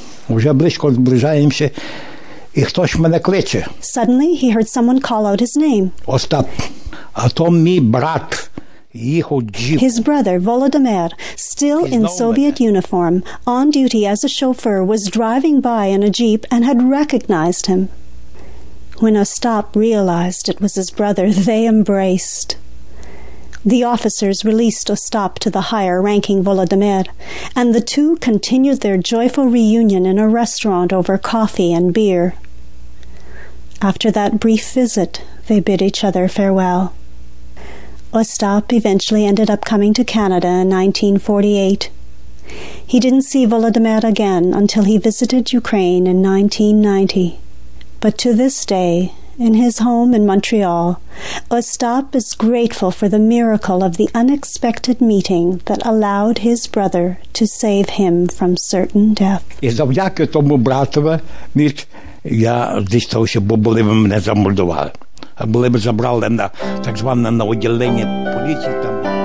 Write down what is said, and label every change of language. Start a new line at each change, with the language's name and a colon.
Ukrainian: Вже близько зближаємося, і хтось мене кличе.
English: Suddenly, he heard someone call out his name.
Ukrainian: Остап, а то мій брат.
English: His brother, Volodymyr, still in Soviet uniform, on duty as a chauffeur, was driving by in a jeep and had recognized him. When Остап realized it was his brother, they embraced. The officers released Ostap to the higher-ranking Volodymyr, and the two continued their joyful reunion in a restaurant over coffee and beer. After that brief visit, they bid each other farewell. Ostap eventually ended up coming to Canada in 1948. He didn't see Volodymyr again until he visited Ukraine in 1990. But to this day, in his home in Montreal, Ostap is grateful for the miracle of the unexpected meeting that allowed his brother to save him from certain death.
Ukrainian: І завдяки тому братові між я дістався, бо були б мене замордували. А були б забрали на так зване на відділення поліції там.